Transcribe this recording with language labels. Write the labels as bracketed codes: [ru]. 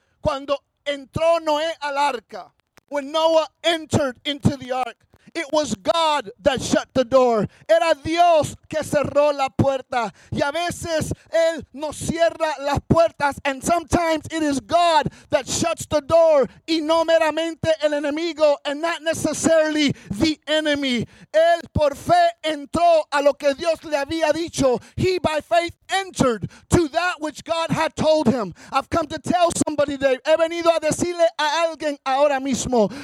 [es] Cuando entró Noé al arca, [en] when Noah entered into the ark, it was God that shut the door. [es] Era Dios que cerró la puerta. Y a veces Él nos cierra las puertas. [en] And sometimes it is God that shuts the door. [es] Y no meramente el enemigo. [en] And not necessarily the enemy. [es] Él por fe entró a lo que Dios le había dicho. [en] He by faith entered to that which God had told him. I've come to tell somebody today. [es] He venido a decirle a alguien ahora mismo.